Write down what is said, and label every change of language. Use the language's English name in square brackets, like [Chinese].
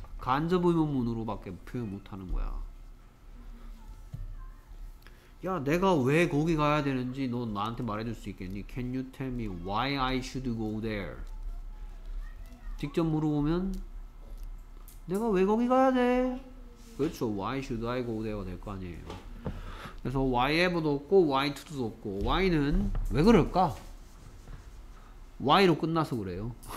[Korean] 간접 의문문으로밖에 표현 못하는 거야. 야, 내가 왜 거기 가야 되는지 너 나한테 말해줄 수 있겠니? [English] Can you tell me why I should go there? [Korean] 직접 물어보면 내가 왜 거기 가야 돼? 그렇죠. [English] Why should I go there [Korean] 가 될 거 아니에요. 그래서 why ever도 없고 why to도 없고 why는 왜 그럴까? why로 끝나서 그래요.